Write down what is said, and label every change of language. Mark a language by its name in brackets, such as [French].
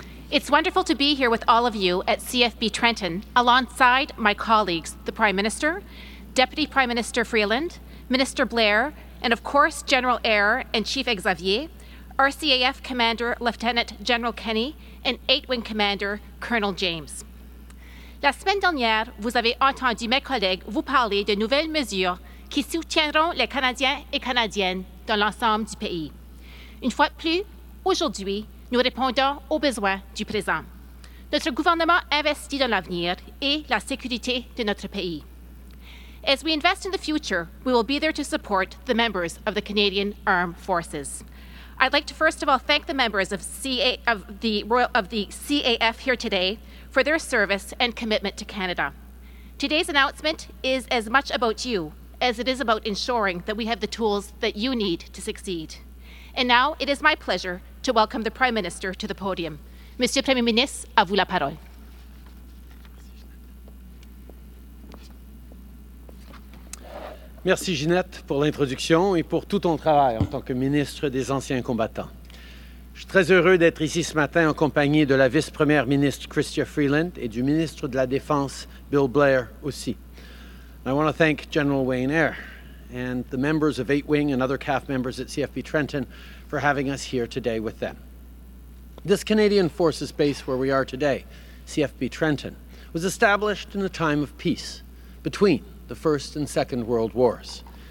[English] It's wonderful to be here with all of you at CFB Trenton, alongside my colleagues, the Prime Minister, Deputy Prime Minister Freeland, Minister Blair, and of course, General Eyre and Chief Xavier, RCAF Commander Lieutenant General Kenny, and 8-Wing Commander Colonel James. [French] La semaine dernière, vous avez entendu mes collègues vous parler de nouvelles mesures qui soutiendront les Canadiens et Canadiennes dans l'ensemble du pays. Une fois de plus, aujourd'hui, nous répondons aux besoins du présent. Notre gouvernement investit dans l'avenir et la sécurité de notre pays. [English] As we invest in the future, we will be there to support the members of the Canadian Armed Forces. I'd like to first of all thank the members of the CAF here today for their service and commitment to Canada. Today's announcement is as much about you as it is about ensuring that we have the tools that you need to succeed. And now, it is my pleasure to welcome the Prime Minister to the podium. [French] Monsieur le Premier ministre, à vous la parole. Merci, Ginette, pour l'introduction et pour tout ton travail en tant que ministre des Anciens Combattants. Je suis très heureux d'être ici ce matin en compagnie de la vice-première ministre Chrystia Freeland et du ministre de la Défense, Bill Blair, aussi. [English] And I want to thank General Wayne Eyre and the members of 8-Wing and other CAF members at CFB Trenton for having us here today with them. This Canadian Forces base where we are today, CFB Trenton, was established in a time of peace between the First and Second World Wars.